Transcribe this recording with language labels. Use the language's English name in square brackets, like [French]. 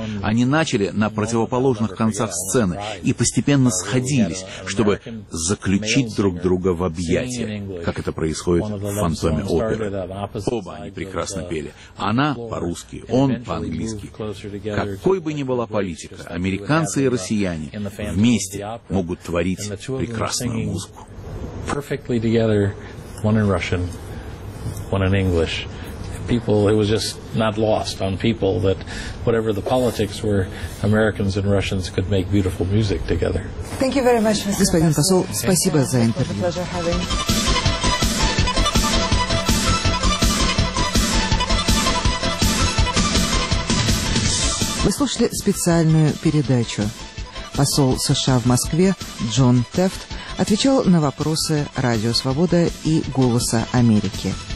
[Russian] Они начали на противоположных концах сцены и постепенно сходились, чтобы заключить друг друга в объятия, как это происходит в «Фантоме оперы». Оба они прекрасно пели. Она по-русски, он по-английски. Какой бы ни была политика, американцы и россияне вместе могут творить прекрасную музыку. [English] Perfectly together, one in Russian, one in English. People, it was just not lost on people that whatever the politics were, Americans and Russians could make beautiful music together. Thank you very much, Mr. [Russian] Господин посол, спасибо за интервью. Вы слушали специальную передачу. Посол США в Москве Джон Тефт отвечал на вопросы «Радио Свобода» и «Голоса Америки».